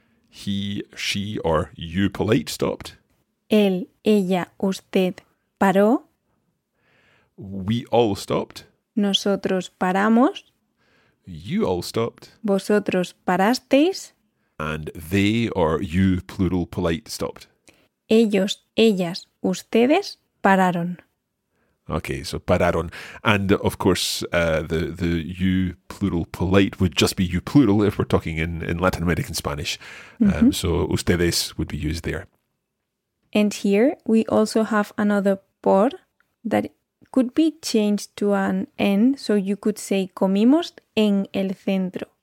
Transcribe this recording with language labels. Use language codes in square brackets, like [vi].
[en] He, she, or you polite stopped. [es] Él, ella, usted paró. [en] We all stopped. [es] Nosotros paramos. [en] You all stopped. [es] Vosotros parasteis. [en] And they or you, plural, polite, stopped. [es] Ellos, ellas, ustedes pararon. [en] Okay, so pararon. And of course, the you, plural, polite would just be you, plural, if we're talking in Latin American Spanish. Mm-hmm. So ustedes would be used there. And here we also have another por that could be changed to an en, so you could say [es] comimos en el centro.